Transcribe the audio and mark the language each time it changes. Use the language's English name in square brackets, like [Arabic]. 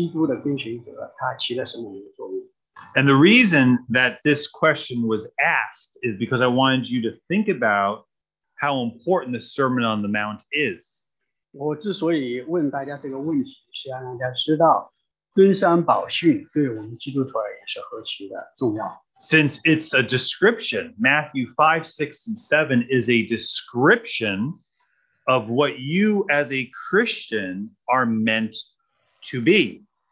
[Chinese] 那么我上一次给大家带的一个挑战性的问题就是说，耶稣的教导在你的思想，在你的行为，究竟起一个什么样的作用？你作为一个基督的跟随者，他起了什么样的作用？ [English] And the reason that this question was asked is because I wanted you to think about how important the Sermon on the Mount is. [Chinese] 我之所以问大家这个问题，是要让大家知道，登山宝训对我们基督徒而言是何其的重要。 [English] Since it's a description, Matthew 5, 6, and 7 is a description of what you as a Christian are meant to be.